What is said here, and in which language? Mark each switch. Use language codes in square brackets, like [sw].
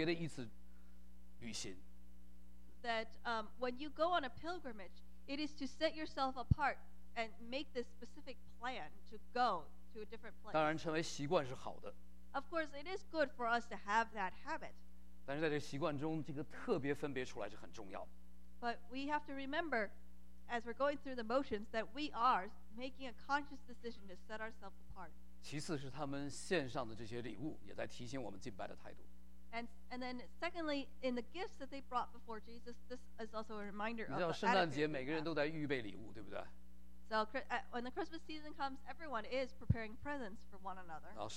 [zh] 朝见是一种把自己分别出来，特别的一次旅行。 [en] That when you go on a pilgrimage, it is to set yourself apart and make this specific plan to go to a different place. [zh] 当然成为习惯是好的。 [en] Of course, it is good for us to have that habit. [zh] 但是在这习惯中, 这个特别分别出来是很重要。 [en] But we have to remember, as we're going through the motions, that we are making a conscious decision to set ourselves apart. [zh] 其次是他们献上的这些礼物, 也在提醒我们敬拜的态度。 [en] And then secondly, in the gifts that they brought before Jesus, this is also a reminder of the attitude. [zh] 圣诞节每个人都在预备礼物, 对不对? [en] So when the Christmas season comes, everyone is preparing presents for one another.